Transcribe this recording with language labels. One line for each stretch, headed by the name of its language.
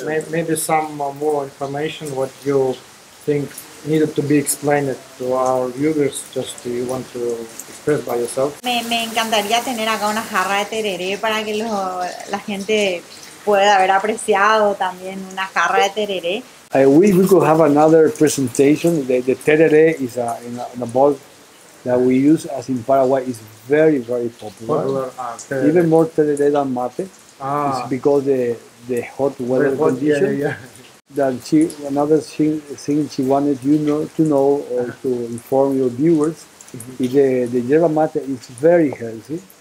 English: Maybe some more information what you think needed to be explained to our viewers, just you want to express by yourself.
Spanish: Me encantaría tener acá una jarra de tereré para que la gente pueda haber apreciado también una jarra de tereré.
English: I wish we could have another presentation. The tereré is in a bowl that we use as in Paraguay is very, very popular. Even more tereré than mate. It's because the hot weather hot, condition. Yeah. That she another thing she wanted you know to know or to inform your viewers is the yerba mate is very healthy.